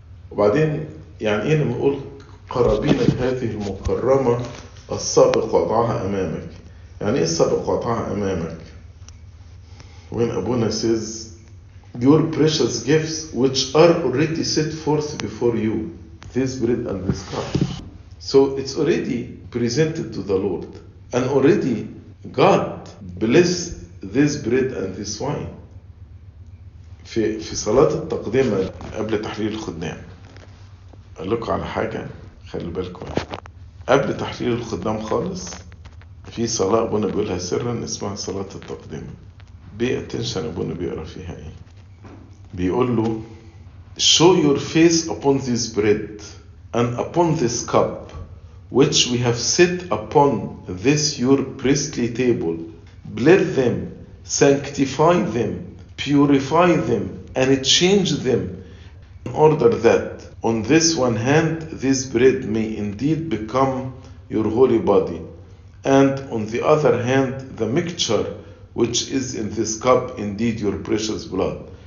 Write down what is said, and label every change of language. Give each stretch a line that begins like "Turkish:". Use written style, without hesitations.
Arabic: وبعدين يعني إيه لما أقول قرابين هذه المكرمة السابق وضعها أمامك؟ يعني إيه السابق وضعها أمامك؟
English: When أبونا says your precious gifts which are already set forth before you. This bread and this cup. So it's already presented to the Lord. And already God bless this bread and this wine.
Arabic: في صلاة التقديم قبل تحليل الخدام. أقولك على حاجة خلي بالكم. قبل تحليل الخدام خالص في صلاة أبونا بيقولها سرا اسمها صلاة التقديم.
English: Pay attention
Arabic: أبونا بيقرأ فيها إيه. بيقول له
English: Show your face upon this bread and upon this cup which we have set upon this your priestly table. Bless them, sanctify them, purify them, and change them in order that on this one hand this bread may indeed become your holy body and on the other hand the mixture which is in this cup indeed your precious blood.